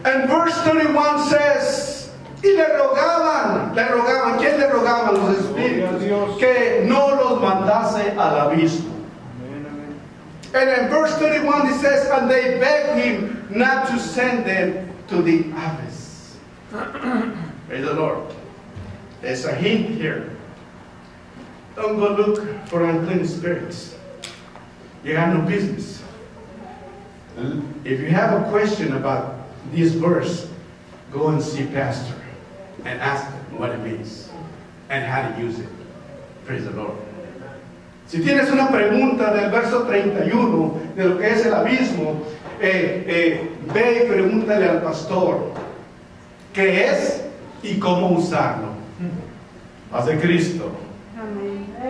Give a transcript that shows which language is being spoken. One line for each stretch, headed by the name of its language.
English: Verse 31 says,
Spanish: y le rogaban, ¿quién le rogaban? Los espíritus, que no los mandase al abismo.
English: And in verse 31 it says, and they begged him not to send them to the abyss. Praise the Lord. There's a hint here. Don't go look for unclean spirits. You have no business. If you have a question about this verse, go and see pastor and ask him what it means and how to use it. Praise the Lord.
Spanish: Si tienes una pregunta del verso 31 de lo que es el abismo, ve y pregúntale al pastor qué es y cómo usarlo. Hace Cristo. Amén.